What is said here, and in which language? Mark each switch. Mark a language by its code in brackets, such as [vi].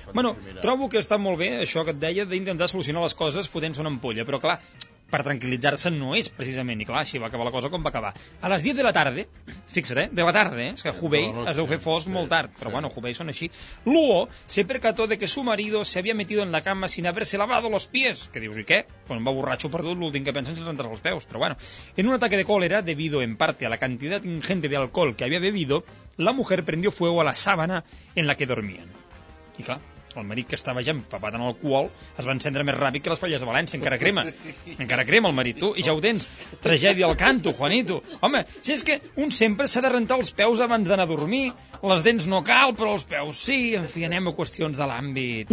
[ca] Bueno, trobo que està molt bé això que et deia d'intentar solucionar les coses fotent-se una ampolla, però clar... Per tranquil·litzar-se no és, precisament. I clar, així va acabar la cosa com va acabar. A les 10 de la tarda, fixa't, de la tarda, és que Hubei es deu fer fosc molt tard, però bueno, Hubei són així. [es] Luo se percató de que su marido se había metido en la cama sin haberse lavado los pies. [ca] Que dius, i què? Quan va borratxo perdut, l'últim que pensen és rentar els peus. Però bueno, [es] en un ataque de cólera, debido en parte a la cantidad ingente de alcohol que había bebido, la mujer prendió fuego a la sábana en la que dormían. [ca] I clar... El marit que estava ja empapat en alcohol es va encendre més ràpid que les falles de València. Encara crema el marit, tu, i ja ho tens. Tragèdia al canto, Juanito. Home, si és que un sempre s'ha de rentar els peus abans d'anar a dormir. Les dents no cal, però els peus sí. En fi, anem a qüestions de l'àmbit